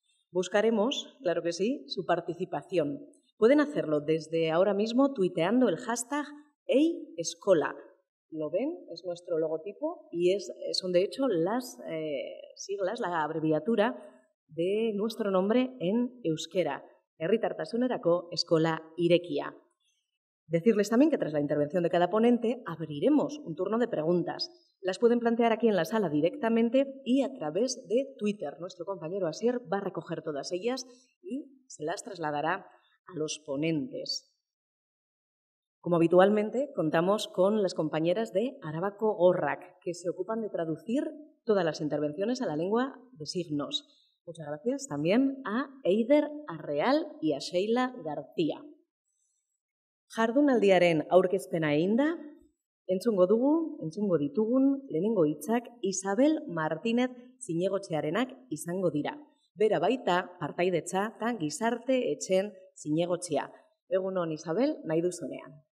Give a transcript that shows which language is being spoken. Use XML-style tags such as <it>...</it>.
<es>Buscaremos, claro que sí, su participación. Pueden hacerlo desde ahora mismo tuiteando el hashtag #EiEscola. ¿Lo ven? Es nuestro logotipo y son de hecho las siglas, la abreviatura de nuestro nombre en euskera.</es> <eu>Herritartasunerako Eskola Irekia.</eu> <es>Decirles también que tras la intervención de cada ponente abriremos un turno de preguntas. Las pueden plantear aquí en la sala directamente y a través de Twitter. Nuestro compañero Asier va a recoger todas ellas y se las trasladará a los ponentes. Como habitualmente, contamos con las compañeras de Arabako Gorrak, que se ocupan de traducir todas las intervenciones a la lengua de signos. Muchas gracias también a Eider Arreal y a Sheila García.</es> <eu>Jardunaldiaren aurkezpena eginda, entzungo ditugun, lehenengo hitzak Isabel Martínez zinegotxearenak izango dira. Bera baita, partaidetza eta gizarte etxen zinegotxea. Egunon, Isabel, nahi duzunean.</eu>